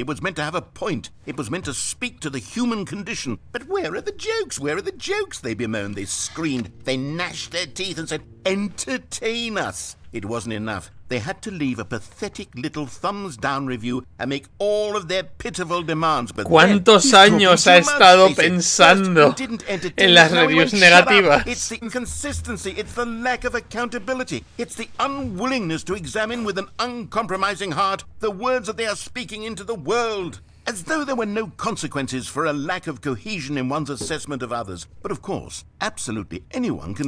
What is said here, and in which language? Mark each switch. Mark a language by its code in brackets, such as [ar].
[en] It was meant to have a point. It was meant to speak to the human condition. But where are the jokes? Where are the jokes? They bemoaned, they screamed, they gnashed their teeth and said, entertain us. It wasn't enough. They had to leave a pathetic little thumbs down review and make all of their pitiful demands. But [es] ¿cuántos años ha estado pensando en las reviews negativas? [en] It's the inconsistency, it's the lack of accountability, it's the unwillingness to examine with an uncompromising heart the words that they are speaking into the world. As though there were no consequences for a lack of cohesion in one's assessment of others. But of course, absolutely anyone can